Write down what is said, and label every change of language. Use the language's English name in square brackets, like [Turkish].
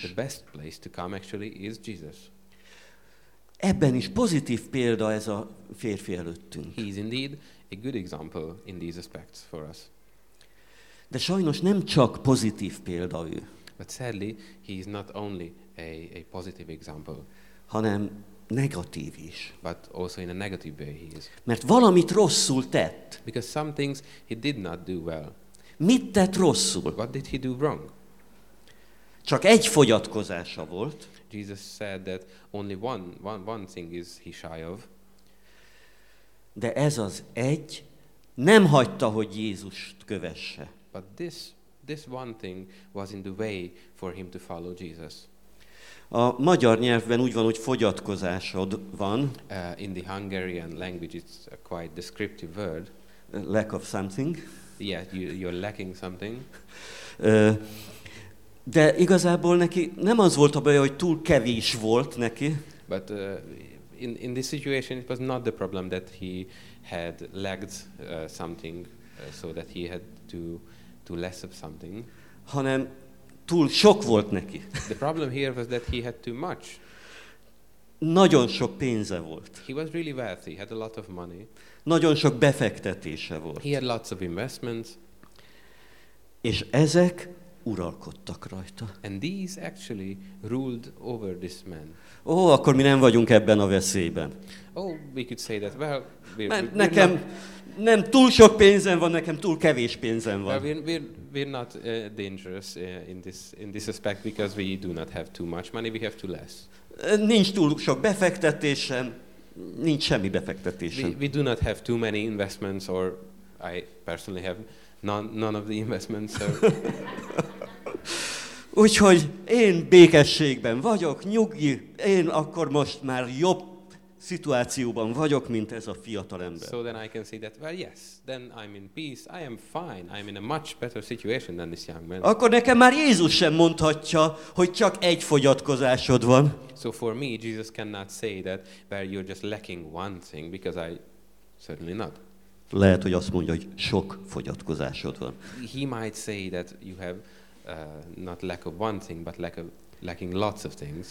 [English] The best place to come actually is Jesus. [Hungarian] Ebben is pozitív példa ez a férfi előttünk. [English] He is indeed a good example in these aspects for us. [Hungarian] De sajnos nem csak pozitív példa ő. [English] But sadly, he is not only a positive example. [Hungarian] Hanem negatív is. [English] But also in a negative way he is. [Hungarian] Mert valamit rosszul tett. [English] Because some things he did not do well. [Hungarian] Mit tett rosszul? [English] What did he do wrong? [Hungarian] Csak egy fogyatkozása volt. [English] Jesus said that only one thing is he shy of. [Hungarian] De ez az egy nem hagyta, hogy Jézust kövesse. [English] But this one thing was in the way for him to follow Jesus. [Hungarian] A magyar nyelvben úgy van, hogy fogyatkozásod van. [English] In the Hungarian language it's a quite descriptive word. Lack of something. Yeah, you're lacking something. [Hungarian] De igazából neki nem az volt a baj, hogy túl kevés volt neki. [English] But in this situation it was not the problem that he had lacked something so that he had to less of something. [Hungarian] Hanem túl sok volt neki. [English] The problem here was that he had too much. [Hungarian] Nagyon sok pénze volt. [English] He was really wealthy, had a lot of money. [Hungarian] Nagyon sok befektetése volt. [English] He had lots of investments. [Hungarian] És ezek uralkodtak rajta. [English] And these actually ruled over this man. [Hungarian] Ó, akkor mi nem vagyunk ebben a veszélyben. [English] Oh, we could say that. Well, we're [Hungarian] nekem [English] not... [Hungarian] nem túl sok pénzem van, nekem túl kevés pénzem van. [English] Well, we're not dangerous in this aspect because we do not have too much money, we have too less. [Hungarian] Nincs túl sok befektetésem, nincs semmi befektetésem. [English] We do not have too many investments, or I personally have none of the investments. So. [Hungarian] Úgyhogy én békességben vagyok, nyugi, én akkor most már jobb szituációban vagyok, mint ez a fiatal ember. [English] So then I can say that, well yes, then I'm in peace, I am fine, I'm in a much better situation than this young man. [Hungarian] Akkor nekem már Jézus sem mondhatja, hogy csak egy fogyatkozásod van. [English] So for me, Jesus cannot say that, well you're just lacking one thing, because I certainly not. [Hungarian] Lehet, hogy azt mondja, hogy sok fogyatkozásod van. [English] He might say that you have not lack of one thing, but lacking lots of things.